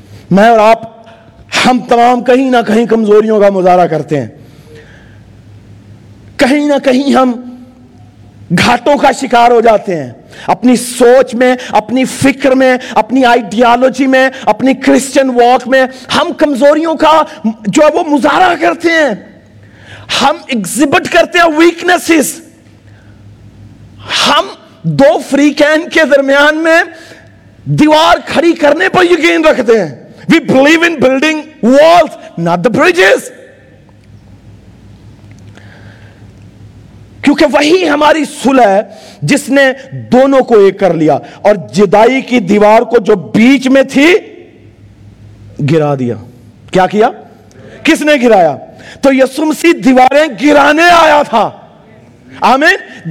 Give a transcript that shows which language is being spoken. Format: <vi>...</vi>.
<ur>میں اور آپ, ہم تمام کہیں نہ کہیں کمزوریوں کا مظاہرہ کرتے ہیں, کہیں نہ کہیں ہم گھاٹوں کا شکار ہو جاتے ہیں, اپنی سوچ میں, اپنی فکر میں, اپنی آئیڈیالوجی میں, اپنی کرسچن واک میں ہم کمزوریوں کا جو ہے وہ مظاہرہ کرتے ہیں, ہم ایگزیبٹ کرتے ہیں ویکنسز. ہم دو فریقین کے درمیان میں دیوار کھڑی کرنے پر یقین رکھتے ہیں.</ur> <en>We believe in building walls, not the bridges.</en> <ur>کیونکہ وہی ہماری صلح ہے جس نے دونوں کو ایک کر لیا اور جدائی کی دیوار کو جو بیچ میں تھی گرا دیا. کیا کیا؟ کس نے گرایا؟ تو یسوع مسیح دیواریں گرانے آیا تھا. آمین.</ur>